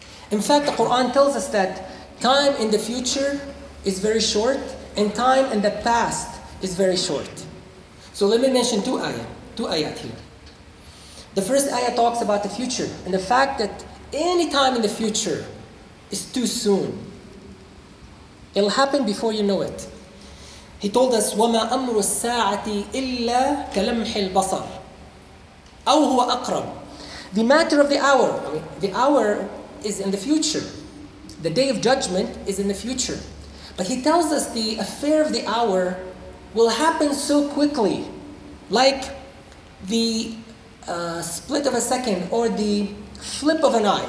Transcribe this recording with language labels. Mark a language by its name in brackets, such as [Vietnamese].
[English] In fact, the Quran tells us that time in the future is very short and time in the past is very short. So let me mention two ayat here. The first ayah talks about the future and the fact that any time in the future is too soon. It'll happen before you know it. [Arabic] He told us, وَمَا أَمْرُ السَّاعَةِ إِلَّا كَلَمْحِ الْبَصَرِ أَوْ هُوَ أَقْرَبُ. [English] The matter of the hour, I mean, the hour is in the future. The day of judgment is in the future. But he tells us the affair of the hour will happen so quickly, like the split of a second or the flip of an eye.